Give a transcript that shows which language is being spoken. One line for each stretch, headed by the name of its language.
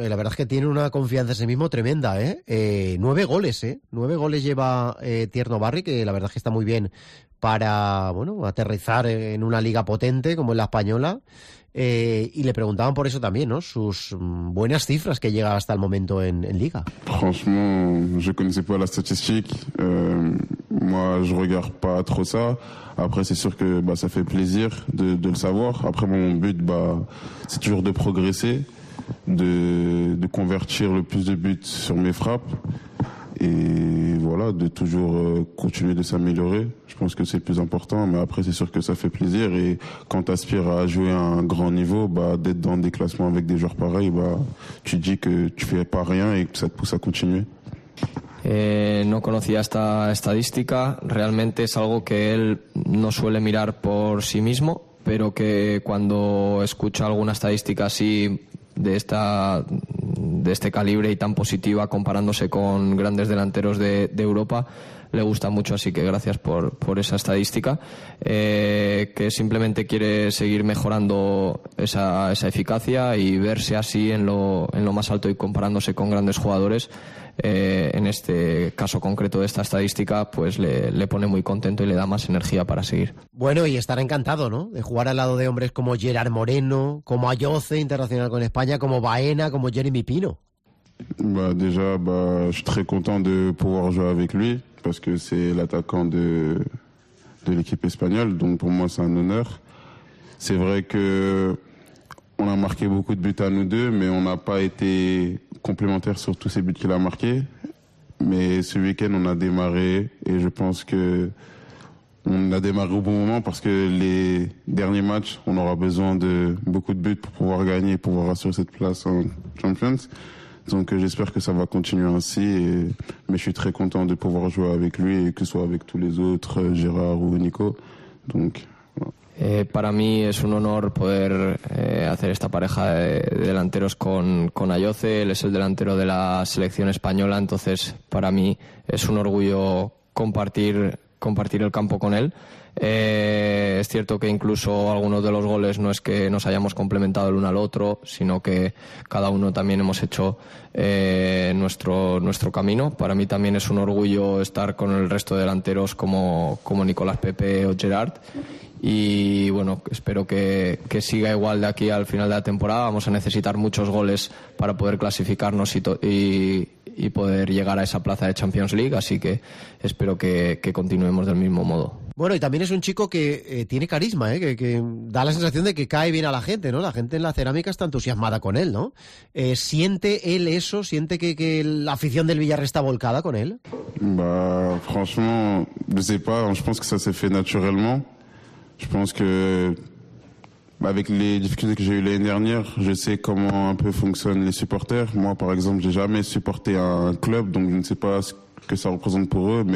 Spanish: La verdad es que tiene una confianza en sí mismo tremenda, ¿eh? 9 goles lleva Tierno Barry, que la verdad es que está muy bien para, bueno, aterrizar en una liga potente como es la española. Y le preguntaban por eso también, ¿no? Sus buenas cifras que llega hasta el momento en liga.
French: Franchement, je connaissais pas la statistique. Moi, je regarde pas trop ça. Après, c'est sûr que ça fait plaisir de le savoir. Après, mon but, c'est toujours de progresser, de convertir le plus de buts sur mes frappes et voilà, de toujours continuer de s'améliorer. Je pense que c'est le plus important, mais après c'est sûr que ça fait plaisir et quand t'aspires à jouer à un grand niveau, d'être dans des classements avec des joueurs pareils, tu dis que tu fais pas rien et que ça te pousse à continuer.
Spanish: No conocía esta estadística, realmente es algo que él no suele mirar por sí mismo, pero que cuando escucha alguna estadística así de esta de este calibre y tan positiva comparándose con grandes delanteros de Europa le gusta mucho, así que gracias por esa estadística, que simplemente quiere seguir mejorando esa eficacia y verse así en lo más alto y comparándose con grandes jugadores. En este caso concreto de esta estadística, pues le pone muy contento y le da más energía para seguir. Bueno, y estará encantado, ¿no?, de jugar al lado de hombres como Gerard Moreno, como Ayoce, internacional con España, como Baena, como Jeremy Pino.
French: Déjà, je suis très content de pouvoir jouer avec lui, parce que c'est l'attaquant de l'équipe espagnole, donc pour moi c'est un honneur. C'est vrai que on a marqué beaucoup de buts à nous deux, mais on n'a pas été complémentaires sur tous ces buts qu'il a marqués. Mais ce week-end, on a démarré et je pense que on a démarré au bon moment parce que les derniers matchs, on aura besoin de beaucoup de buts pour pouvoir gagner et pouvoir assurer cette place en Champions. Donc j'espère que ça va continuer ainsi, mais je suis très content de pouvoir jouer avec lui et que ce soit avec tous les autres, Gérard ou Nico. Donc,
Spanish: Para mí es un honor poder hacer esta pareja de delanteros con Ayoce. Él es el delantero de la selección española, entonces para mí es un orgullo compartir el campo con él. Es cierto que incluso algunos de los goles no es que nos hayamos complementado el uno al otro, sino que cada uno también hemos hecho nuestro camino. Para mí también es un orgullo estar con el resto de delanteros como Nicolás Pepe o Gerard. Y bueno, espero que siga igual de aquí al final de la temporada. Vamos a necesitar muchos goles para poder clasificarnos y poder llegar a esa plaza de Champions League. Así que espero que continuemos del mismo modo. Bueno, y también es un chico que tiene carisma, ¿eh? Que da la sensación de que cae bien a la gente, ¿no? La gente en la cerámica está entusiasmada con él, ¿no? ¿Siente él eso? ¿Siente que la afición del Villarreal está volcada con él?
French: Franchement, je sais pas. Je pense que ça se fait naturellement. Je pense que avec les difficultés que j'ai eues l'année dernière, je sais comment un peu fonctionnent les supporters. Moi, par exemple, j'ai jamais supporté un club, donc je ne sais pas ce que ça représente pour eux.